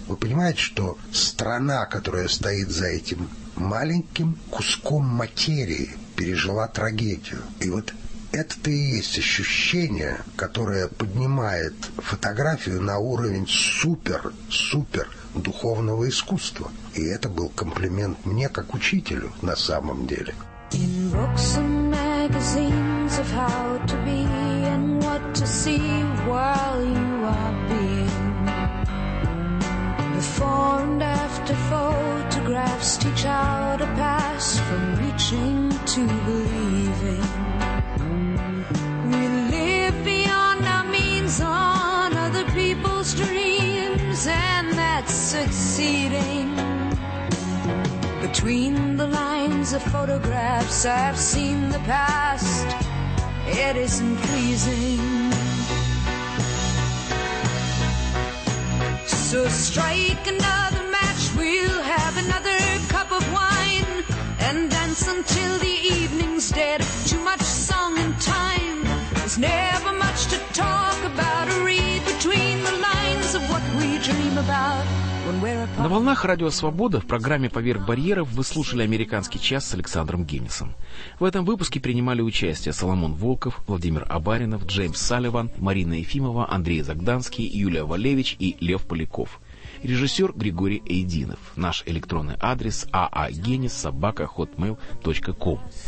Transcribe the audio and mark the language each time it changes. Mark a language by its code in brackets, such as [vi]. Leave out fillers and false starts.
[ru] Вы понимаете, что страна, которая стоит за этим маленьким куском материи, пережила трагедию. И вот это-то и есть ощущение, которое поднимает фотографию на уровень супер-супер духовного искусства. И это был комплимент мне как учителю на самом деле. [en] In books and magazines of how to be and what to see while you are being. Before and after photographs teach how to pass from reaching to believing. We live beyond our means on other people's dreams, and that's succeeding. Between the lines of photographs, I've seen the past. It isn't pleasing. So strike another match. to have another cup of wine and dance until the evening's dead. Too much song and time. There's never much to talk about or read between the lines of what we dream about. [ru] На волнах Радио Свобода в программе «Поверх барьеров» вы слушали «Американский час» с Александром Геннисом. В этом выпуске принимали участие Соломон Волков, Владимир Абаринов, Джеймс Салливан, Марина Ефимова, Андрей Загданский, Юлия Валевич и Лев Поляков. Режиссер Григорий Эйдинов. Наш электронный адрес aagenis@hotmail.com.